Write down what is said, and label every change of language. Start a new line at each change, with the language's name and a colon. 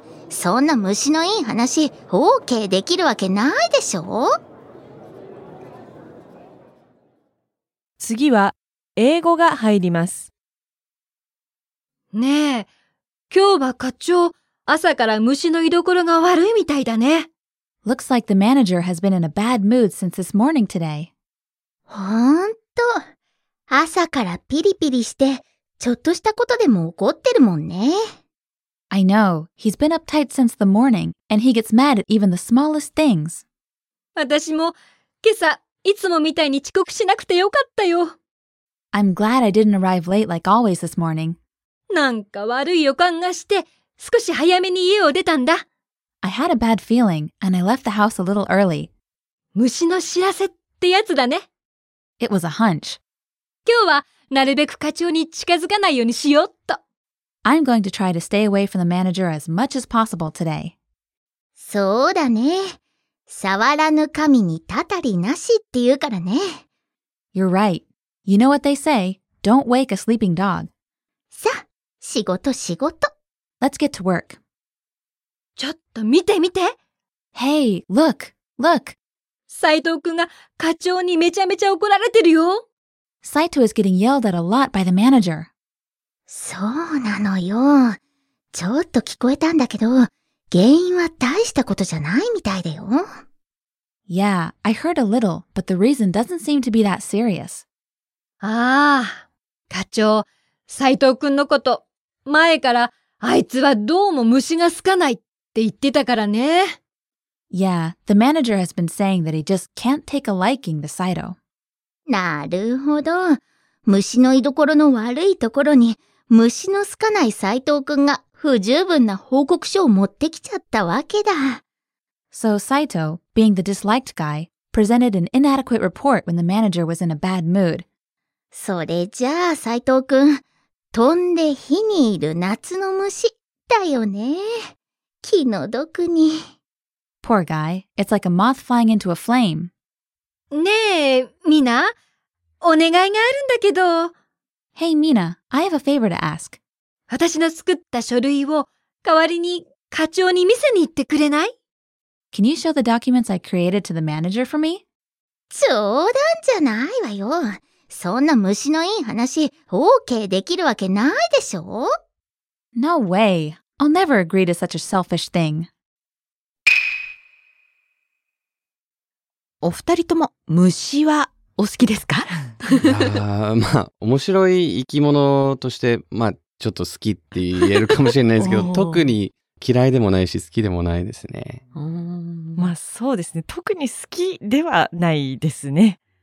Japanese: そんな虫のいい話 OK できるわけないでしょ。次は英語が入ります。ねえ、今日は課長、朝から虫の居所が悪いみたいだね。
English: Looks like the manager has been in a bad mood since this morning today.
Japanese: ほんと。朝からピリピリして、ちょっとしたことでも怒ってるもんね。
English: I know. He's been uptight since the morning, and he gets mad at even the smallest things.
Japanese: 私も、今朝、いつもみたいに遅刻しなくてよかったよ。
English: I'm glad I didn't arrive late like always this morning.
Japanese: なんか悪い予感がして、少し早めに家を出たんだ。
English: I had a bad feeling, and I left the house a little early.
Japanese: 虫の知らせってやつだね。
English: It was a hunch.
Japanese: 今日はなるべく課長に近づかないようにしようっと。
English: I'm going to try to stay away from the manager as much as possible today.
Japanese: そうだね。触らぬ神にたたりなしって言うからね。
English: You're right. You know what they say? Don't wake a sleeping dog.
Japanese: さあ、仕事仕事。
English: Let's get to work.
Japanese: ちょっと見て見て。
English: Hey, look, look.
Japanese: 斉藤くんが課長にめちゃめちゃ怒られてるよ。
English: Saito is getting yelled at a lot by the manager.
Japanese: そうなのよ。ちょっと聞こえたんだけど、原因は大したことじゃないみたいだよ。
English: Yeah, I heard a little, but the reason doesn't seem to be that serious.
Japanese: ああ、課長、斉藤くんのこと、前からあいつはどうも虫が好かないって言ってたからね。
English: Yeah, the manager has been saying that he just can't take a liking to Saito.
Japanese: なるほど。虫の居所の悪いところに虫の好かない斉藤くんが不十分な報告書を持ってきちゃったわけだ。
English: So Saito, being the disliked guy, presented an inadequate report when the manager was in a bad mood.
Japanese: それじゃあ斉藤くん、飛んで火にいる夏の虫だよね。気の毒に。
English: Poor guy. It's like a moth flying into a flame.
Japanese: ねえ、ミナ、お願いがあるんだけど。
English: Hey, Mina, I have a favor to ask.
Japanese: 私の作った書類を代わりに課長に見せに行ってくれない？
English: Can you show the documents I created to the manager for me?
Japanese: 冗談じゃないわよ。そんな虫のいい話、OK できるわけないでしょ？
English: No way. I'll never agree to such a selfish thing.
Japanese: お二人とも虫はお好きですか？まあ面白い生き物としてまあちょっと好きって言えるかもしれないですけど特に嫌いでもないし好きでもないですね。まあそうですね、特に好きではないですね。